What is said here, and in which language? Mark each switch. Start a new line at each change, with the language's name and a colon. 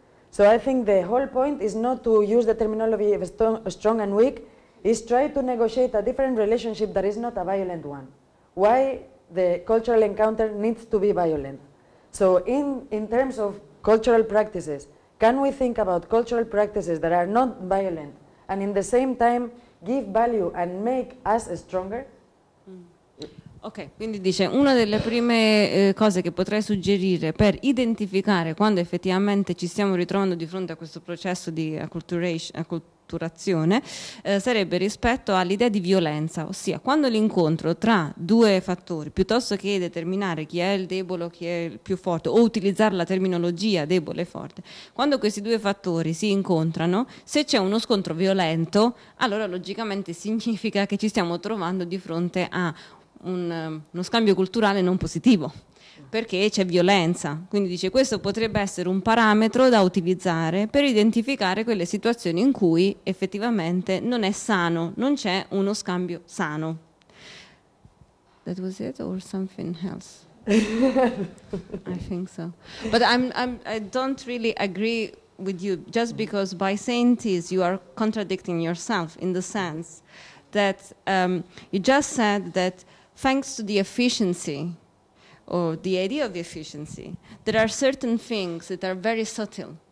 English: So I think the whole point is not to use the terminology of strong and weak, is try to negotiate a different relationship that is not a violent one. Why the cultural encounter needs to be violent. So in terms of cultural practices, can we think about cultural practices that are not violent and in the same time give value and make us stronger?
Italian: Ok, quindi dice una delle prime cose che potrei suggerire per identificare quando effettivamente ci stiamo ritrovando di fronte a questo processo di acculturazione sarebbe rispetto all'idea di violenza, ossia quando l'incontro tra due fattori, piuttosto che determinare chi è il debole o chi è il più forte, o utilizzare la terminologia debole e forte, quando questi due fattori si incontrano, se c'è uno scontro violento, allora logicamente significa che ci stiamo trovando di fronte a uno scambio culturale non positivo, perché c'è violenza. Quindi dice questo potrebbe essere un parametro da utilizzare per identificare quelle situazioni in cui effettivamente non è sano, non c'è uno scambio sano.
English: That was it or something else? I think so. But I don't really agree with you, just because by saying this you are contradicting yourself in the sense that you just said that thanks to the efficiency, or the idea of efficiency, there are certain things that are very subtle.